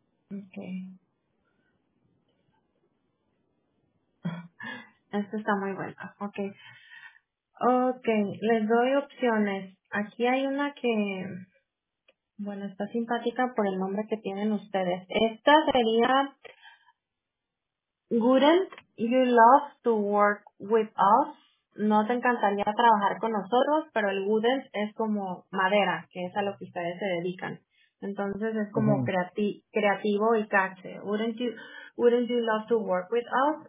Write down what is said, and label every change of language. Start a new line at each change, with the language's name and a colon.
English: Ok.
Spanish: Esto está muy bueno. Okay. Okay, les doy opciones. Aquí hay una que, bueno, está simpática por el nombre que tienen ustedes. Esta sería,
English: wouldn't you love to work with us?
Spanish: No te encantaría trabajar con nosotros, pero el wouldn't es como madera, que es a lo que ustedes se dedican. Entonces es como creativo y cache.
English: Wouldn't you love to work with us?